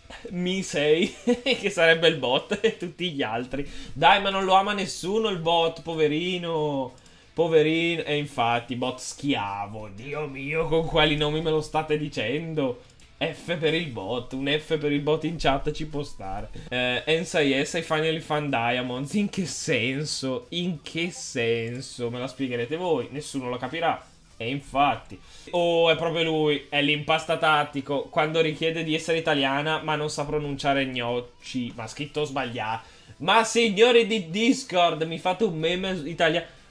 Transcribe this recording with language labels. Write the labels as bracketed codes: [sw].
[it] Mi sei, che sarebbe il bot e tutti gli altri. Dai, ma non lo ama nessuno il bot, poverino, poverino. E infatti, bot schiavo, Dio mio, con quali nomi me lo state dicendo? F per il bot, un F per il bot in chat ci può stare. [en] NCIS, I finally found diamonds. [it] In che senso? In che senso? Me la spiegherete voi, nessuno lo capirà. E infatti. Oh, è proprio lui, è l'impasta tattico. Quando richiede di essere italiana, ma non sa pronunciare gnocci. Ma scritto sbagliato. Ma signori di Discord, mi fate un meme italiano.